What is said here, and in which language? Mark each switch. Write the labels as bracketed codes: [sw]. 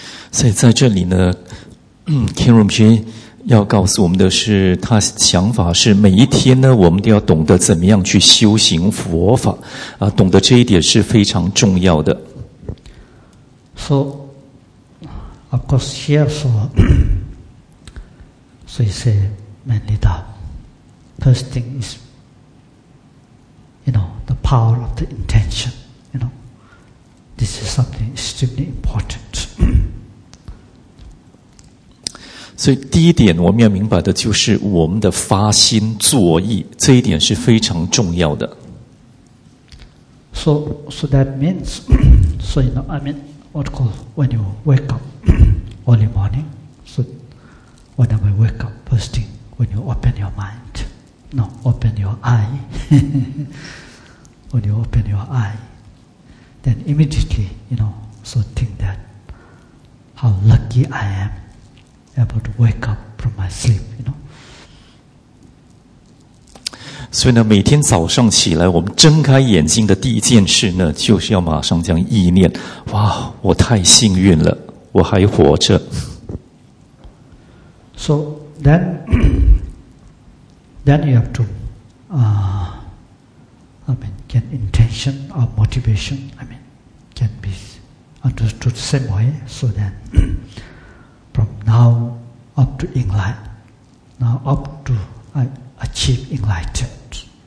[zh] 所以在这里呢，天荣君要告诉我们的是，他想法是每一天呢，我们都要懂得怎么样去修行佛法，啊，懂得这一点是非常重要的。 [en] So, of course, here so, so you say mainly the first thing is, you know, the power of the intention. You know, this is something extremely important. [zh] 所以第一点我们要明白的就是我们的发心作意，这一点是非常重要的。 [en] So that means, so you know, I mean, what call when you wake up early morning, so whenever you wake up, first thing, when you open your mind, No, open your eye. When you open your eye, then immediately, you know, so think that how lucky I am able to wake up from my sleep, you know. [zh] 所以呢，每天早上起来，我们睁开眼睛的第一件事呢，就是要马上将意念，哇，我太幸运了，我还活着。 [en] So then, then you have to, get intention or motivation. I mean, can be understood the same way. So then, from now up to enlightenment, now up to achieve enlightenment.